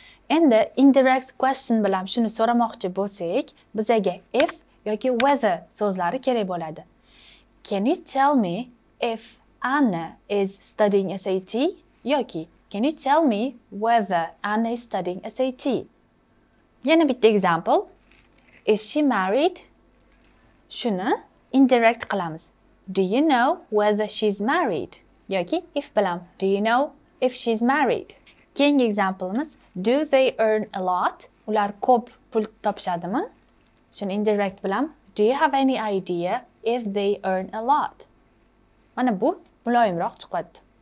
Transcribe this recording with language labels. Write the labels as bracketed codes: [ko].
[uz] Endi indirect question bilan shuni so'ramoqchi bo'lsak, bizga if yoki whether so'zlari kerak bo'ladi. [en] Can you tell me if Anna is studying SAT? [uz] Yoki [en] can you tell me whether Anna is studying SAT? [uz] Yana bitta [en] example. Is she married? [uz] Shuni indirect qilamiz. [en] Do you know whether she's married? [uz] Yoki [en] if [uz] bilan. [en] Do you know if she's married? [uz] Keyingi example'imiz. [en] Do they earn a lot? [uz] Ular ko'p pul topishadimi? Shuni indirect bilan. [en] Do you have any idea if they earn a lot? [uz] Mana bu muloyimroq chiqadi.